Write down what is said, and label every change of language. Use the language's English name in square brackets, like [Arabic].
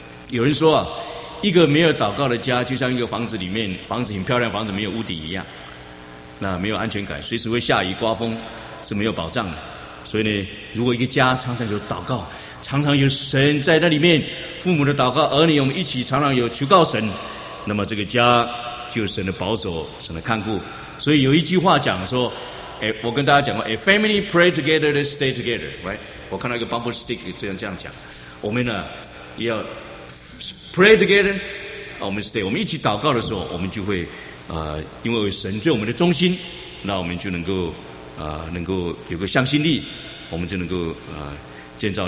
[Chinese] 有人说啊，一个没有祷告的家就像一个房子里面，房子很漂亮，房子没有屋顶一样，那没有安全感，随时会下雨刮风，是没有保障的。所以呢，如果一个家常常有祷告，常常有神在那里面，父母的祷告，儿女我们一起常常有求告神，那么这个家就是神的保守，神的看顾。所以有一句话讲说，我跟大家讲过 [English] ，A family pray together, they stay together, right？ [Chinese] 我看到一个 bumper sticker 这样讲，我们呢也要 [English] pray together， [Chinese] 我们 stay， 我们一起祷告的时候，我们就会因为神对我们的忠心，那我们就能够能够有个向心力，我们就能够建造。